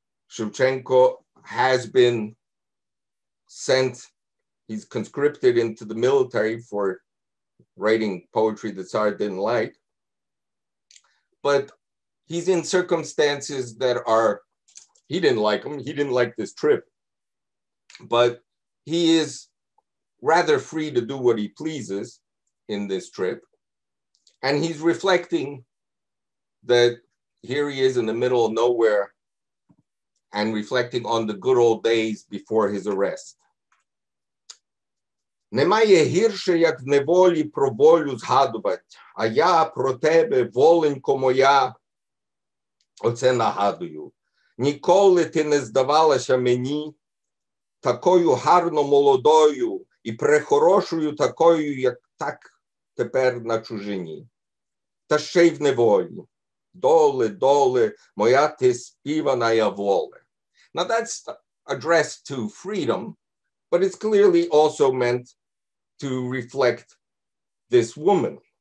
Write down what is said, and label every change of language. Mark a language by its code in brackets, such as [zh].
[en] Shevchenko has been sent, he's conscripted into the military for writing poetry the Tsar didn't like, but he's in circumstances that are, he didn't like them, he didn't like this trip, but he is rather free to do what he pleases in this trip. And he's reflecting that here he is in the middle of nowhere and reflecting on the good old days before his arrest. [uk] Немає гірше, як в неволі про волю згадувати, а я про тебе, воленько моя, оце нагадую. Ніколи ти не здавалася мені такою гарно молодою і прехорошою такою, як так тепер на чужині. Та ще й в неволі. Доле, доле, моя ти співана я воле. [en] Now that's addressed to freedom, but it's clearly also meant to reflect this woman.